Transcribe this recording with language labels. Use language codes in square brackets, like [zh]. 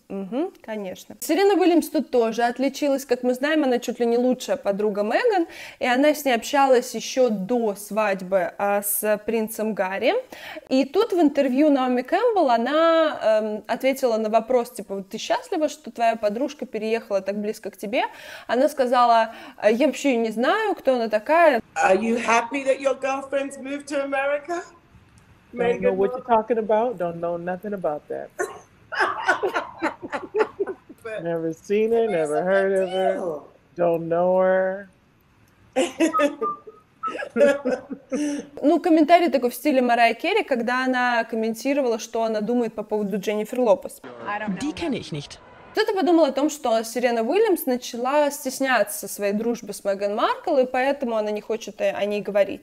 [ru] Угу, конечно. Серена Уильямс тут тоже отличилась, как мы знаем, она чуть ли не лучшая подруга Меган, и она с ней общалась еще до свадьбы с принцем Гарри. И тут в интервью Наоми Кэмпбелл она ответила на вопрос, типа, вот ты счастлива, что твоя подружка переехала так близко к тебе? Она сказала, я вообще не знаю, кто она такая. [en] Are you happy that your girlfriend's moved to America? Megan, don't know what you're talking about, don't know nothing about that. Never seen her, never heard of her, don't know her. [ru] Ну, комментарий такой в стиле Марая Керри, когда она комментировала, что она думает по поводу Дженнифер Лопес. [de] Die kenne ich nicht. [ru] Кто-то подумал о том, что Серена Уильямс начала стесняться своей дружбы с Меган Маркл, и поэтому она не хочет о ней говорить.